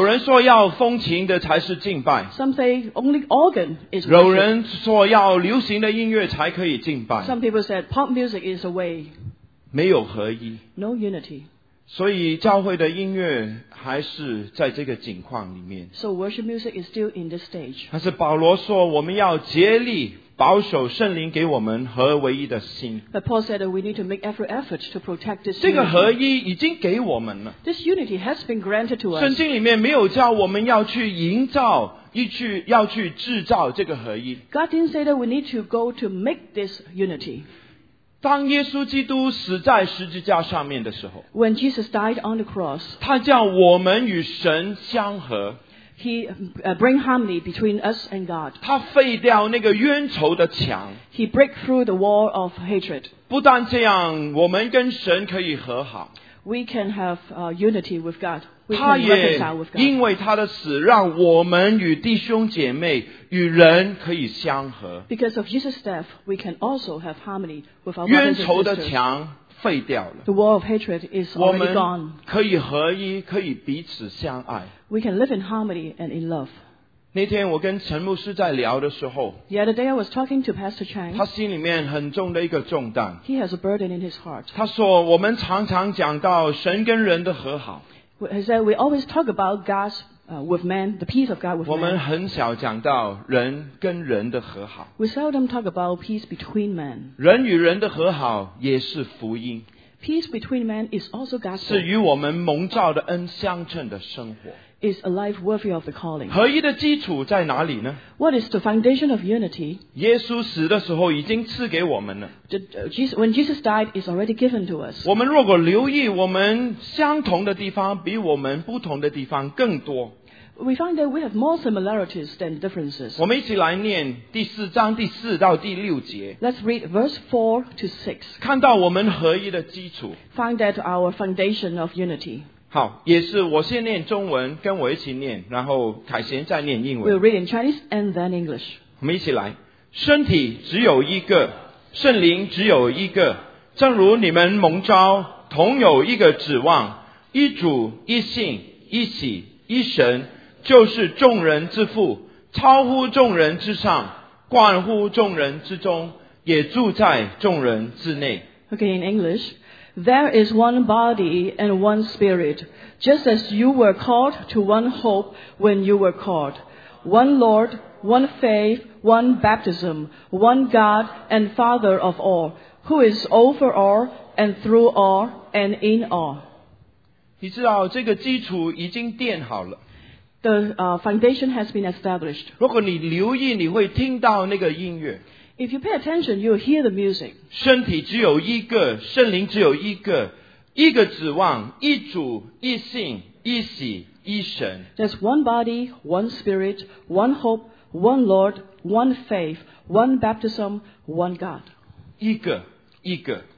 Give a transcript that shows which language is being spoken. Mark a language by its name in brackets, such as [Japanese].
[Chinese] 有人说要风琴的才是敬拜。 [English] Some say only organ is. [Chinese] 有人说要流行的音乐才可以敬拜。 [English] Some people said pop music is a way. [Chinese] 没有合一。 [English] No unity. [Chinese] 所以教会的音乐还是在这个境况里面。 [English] So worship music is still in this stage. [Chinese] 但是保罗说我们要竭力。保守圣灵给我们合唯一的心。 [English] But Paul said that we need to make every effort to protect this unity. [Chinese] 这个合一已经给我们了。 [English] This unity has been granted to us. [Chinese] 圣经里面没有叫我们要去营造，要去制造这个合一。 [English] God didn't say that we need to go to make this unity. [Chinese] 当耶稣基督死在十字架上面的时候。 [English] When Jesus died on the cross. [Chinese] 他叫我们与神相合。 [English] He bring harmony between us and God. [Chinese] 他废掉那个冤仇的墙。 [English] He break through the wall of hatred. [Chinese] 不但这样，我们跟神可以和好。 [English] We can have unity with God. We can reconcile with God. [Chinese] 他也因为他的死，让我们与弟兄姐妹与人可以相合。 [English] Because of Jesus' death, we can also have harmony with our brothers and sisters. [Chinese] 冤仇的墙废掉了。 [English] The wall of hatred is already gone. [Chinese] 我们可以合一，可以彼此相爱。 [English] We can live in harmony and in love. [Chinese] 那天我跟陈牧师在聊的时候， [English] The other day I was talking to Pastor Chang. [Chinese] 他心里面很重的一个重担。 [English] He has a burden in his heart. [Chinese] 他说我们常常讲到神跟人的和好。 [English] He said we always talk about God's with man, the peace of God with man. [Chinese] 我们很少讲到人跟人的和好。 [English] We seldom talk about peace between men. [Chinese] 人与人的和好也是福音。 [English] Peace between men is also God's. [Chinese] 是与我们蒙召的恩相称的生活。 [English] Is a life worthy of the calling. [Chinese] 合一的基础在哪里呢？ [English] What is the foundation of unity? [Chinese] 耶稣死的时候已经赐给我们了。 [English] When Jesus died, it's already given to us. [Chinese] 我们如果留意我们相同的地方比我们不同的地方更多。 [English] We find that we have more similarities than differences. [Chinese] 我们一起来念第四章第四到第六节。 [English] Let's read verse 4 to 6. [Chinese] 看到我们合一的基础。 [English] Find that our foundation of unity. [Chinese] 好，也是我先念中文，跟我一起念，然后凯贤再念英文。 [English] We'll read in Chinese and then English. [Chinese] 我们一起来。身体只有一个，圣灵只有一个，正如你们蒙召，同有一个指望，一主，一信，一喜，一神，就是众人之父，超乎众人之上，冠乎众人之中，也住在众人之内。 [English] Okay, in English. There is one body and one spirit, just as you were called to one hope when you were called. One Lord, one faith, one baptism, one God and Father of all, who is over all and through all and in all. [Chinese] 你知道这个基础已经奠好了。 [English] The foundation has been established. [Chinese] 如果你留意，你会听到那个音乐。 [English] If you pay attention, you'll hear the music. [Chinese] 身体只有一个，圣灵只有一个，一个指望，一主，一信，一喜，一神。 [English] There's one body, one spirit, one hope, one Lord, one faith, one baptism, one God. [Chinese] 一个，一个。